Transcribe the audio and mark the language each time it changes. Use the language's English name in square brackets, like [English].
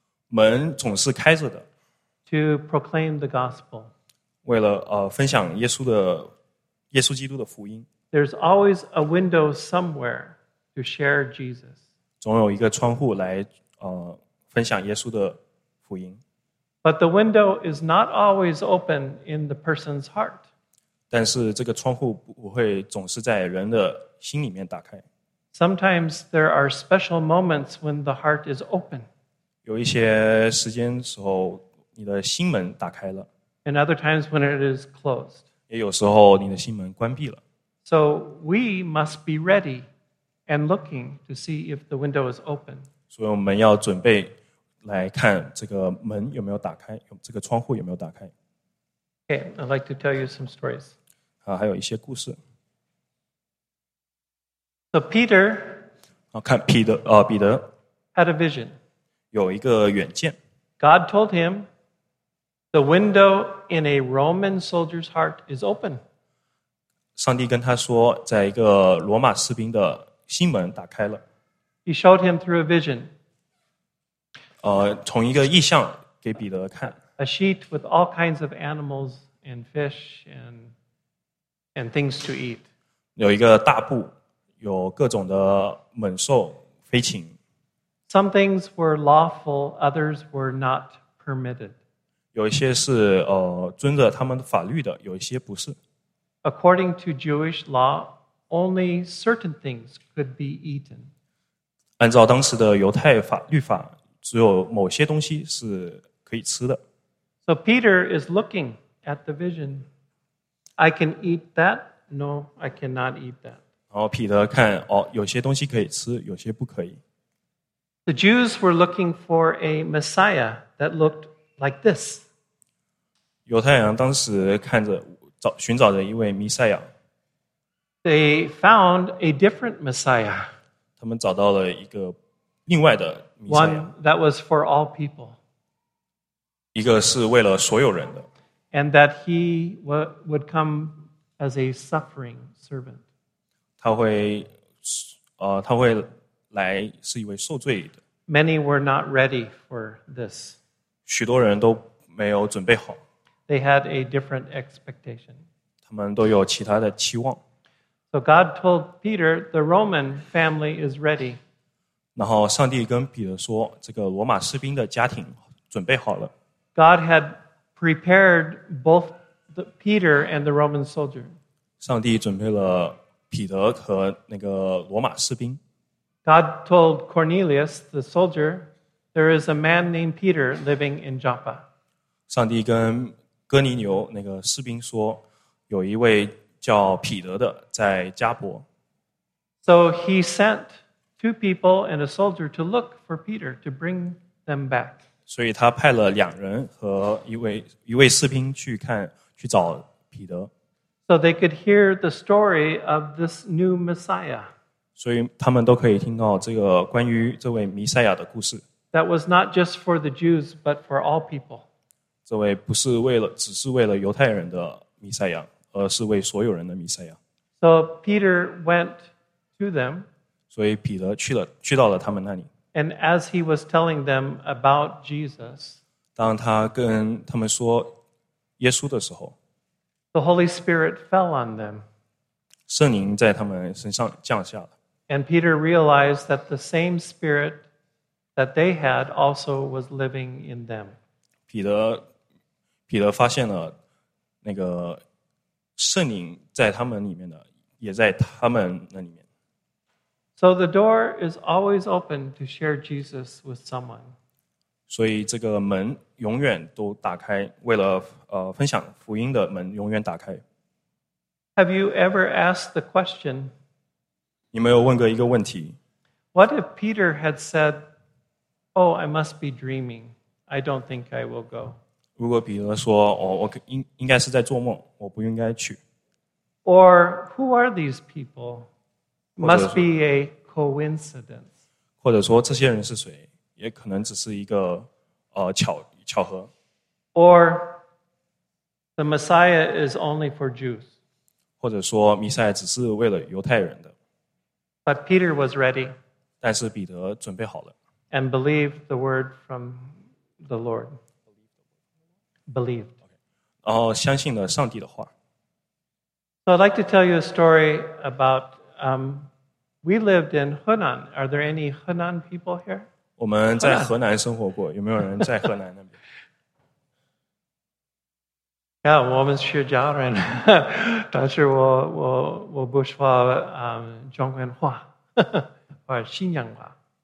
[Chinese] 门总是开着的。 [English] To proclaim the gospel. [Chinese] 为了分享耶稣基督的福音。 [English] There's always a window somewhere to share Jesus. [Chinese] 总有一个窗户来分享耶稣的福音。 [English] But the window is not always open in the person's heart. [Chinese] 但是这个窗户不会总是在人的心里面打开。 [English] Sometimes there are special moments when the heart is open. [Chinese] 有一些时间时候你的心门打开了。 [English] And other times when it is closed. [Chinese] 也有时候你的心门关闭了。 [English] So we must be ready and looking to see if the window is open. [Chinese] 所以我们要准备来看这个门有没有打开，这个窗户有没有打开。 [English] Okay, I'd like to tell you some stories. [Chinese] 啊，还有一些故事。 [English] So Peter, [Chinese] 看彼得，彼得 [English] had a vision. [Chinese] 有一个远见。 [English] God told him, the window in a Roman soldier's heart is open. [Chinese] 上帝跟他说，在一个罗马士兵的心门打开了。 [English] He showed him through a vision. [Chinese] 从一个意象给彼得看。 [English] A sheet with all kinds of animals and fish and things to eat. [Chinese] 有一个大布，有各种的猛兽、飞禽。 [English] Some things were lawful, others were not permitted. [Chinese] 有一些是遵着他们的法律的，有一些不是。 [English] According to Jewish law, only certain things could be eaten. [Chinese] 按照当时的犹太法律法，只有某些东西是可以吃的。 [English] So Peter is looking at the vision. I can eat that. No, I cannot eat that. [Chinese] 然后彼得看，有些东西可以吃，有些不可以。 [English] The Jews were looking for a Messiah that looked like this. [Chinese] 犹太人当时看着寻找着一位弥赛亚。 [English] They found a different Messiah. [Chinese] 他们找到了一个另外的弥赛亚。 [English] One that was for all people. [Chinese] 一个是为了所有人的。 [English] And that he would come as a suffering servant. [Chinese] 他会来是一位受罪的。 [English] Many were not ready for this. [Chinese] 许多人都没有准备好。 [English] They had a different expectation. [Chinese] 他们都有其他的期望。 [English] So God told Peter, the Roman family is ready. [Chinese] 然后上帝跟彼得说，这个罗马士兵的家庭准备好了。 [English] God had prepared both Peter and the Roman soldier. [Chinese] 上帝准备了彼得和那个罗马士兵。 [English] God told Cornelius, the soldier, there is a man named Peter living in Joppa. [Chinese] 上帝跟哥尼流那个士兵说，有一位叫彼得的在加伯。 [English] So he sent two people and a soldier to look for Peter to bring them back. [Chinese] 所以他派了两人和一位士兵去看去找彼得。 [English] So they could hear the story of this new Messiah. [Chinese] 所以他们都可以听到这个关于这位弥赛亚的故事。 [English] That was not just for the Jews, but for all people. [Chinese] 这位不是只是为了犹太人的弥赛亚。而是为所有人的弥赛亚。 [English] So Peter went to them. [Chinese] 所以彼得去到了他们那里。 [English] And as he was telling them about Jesus, [Chinese] 当他跟他们说耶稣的时候， [English] the Holy Spirit fell on them. [Chinese] 圣灵在他们身上降下了。 [English] And Peter realized that the same Spirit that they had also was living in them. [Chinese] 彼得发现了那个圣灵在他们里面的，也在他们那里面。 [English] So the door is always open to share Jesus with someone. [Chinese] 所以这个门永远都打开，为了分享福音的门永远打开。 [English] Have you ever asked the question? [Chinese] 你没有问过一个问题。 [English] What if Peter had said, "Oh, I must be dreaming. I don't think I will go." [Chinese] 如果彼得说，我应该是在做梦，我不应该去。 [English] Or who are these people? Must be a coincidence. [Chinese] 或者说这些人是谁？也可能只是一个巧合。 [English] Or the Messiah is only for Jews. [Chinese] 或者说弥赛亚只是为了犹太人的。 [English] But Peter was ready. [Chinese] 但是彼得准备好了。 [English] And believed the word from the Lord. Believed. [Chinese] 然后相信了上帝的话。 [English] So I'd like to tell you a story about we lived in Hunan. Are there any Hunan people here? [Chinese] 我们在河南生活过，有没有人在河南那边？ Yeah, 我们是家人，但是我不说中文话，或者新疆话。